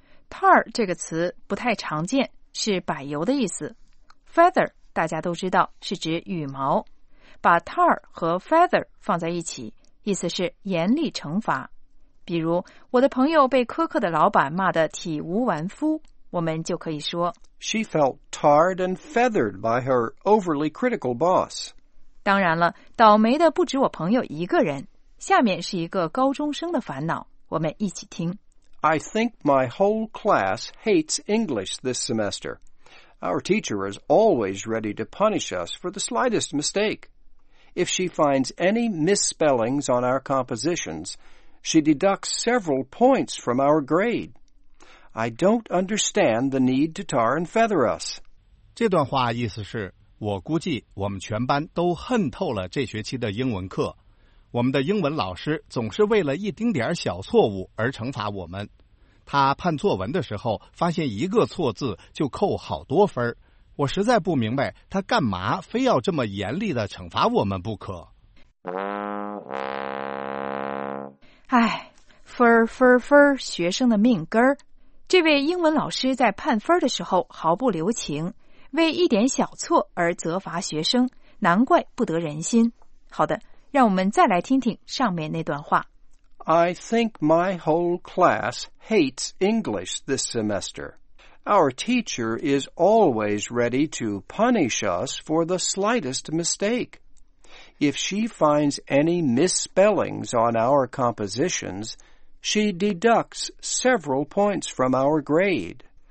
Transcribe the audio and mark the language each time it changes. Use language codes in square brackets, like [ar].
[zh] Tar 这个词不太常见，是柏油的意思。 Feather 大家都知道是指羽毛。把 tar 和 feather 放在一起，意思是严厉惩罚。比如，我的朋友被苛刻的老板骂得体无完肤，我们就可以说 [en] She felt tarred and feathered by her overly critical boss. [zh] 当然了，倒霉的不止我朋友一个人。下面是一个高中生的烦恼，我们一起听。 [en] I think my whole class hates English this semester. Our teacher is always ready to punish us for the slightest mistake. If she finds any misspellings on our compositions, she deducts several points from our grade. I don't understand the need to tar and feather us. [zh] 这段话意思是，我估计我们全班都恨透了这学期的英文课。我们的英文老师总是为了一丁点小错误而惩罚我们。他判作文的时候，发现一个错字就扣好多分儿。我实在不明白他干嘛非要这么严厉地惩罚我们不可。哎，分分分，学生的命根儿。这位英文老师在判分的时候毫不留情，为一点小错而责罚学生，难怪不得人心。好的，让我们再来听听上面那段话。 [en] I think my whole class hates English this semester. Our teacher is always ready to punish us for the slightest mistake. If she finds any misspellings on our compositions, she deducts several points from our grade.